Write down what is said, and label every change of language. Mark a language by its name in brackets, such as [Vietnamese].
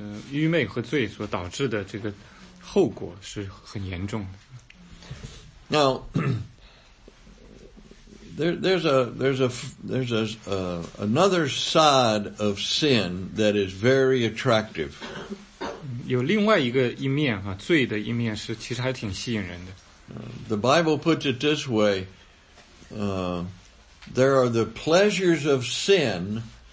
[Chinese] 愚昧和罪所导致的这个后果是很严重的。 [English] Now, there's another side of sin that is very attractive. [Chinese] 有另外一个一面哈，罪的一面是其实还挺吸引人的。 [English] The Bible puts it this way: there are the pleasures of sin.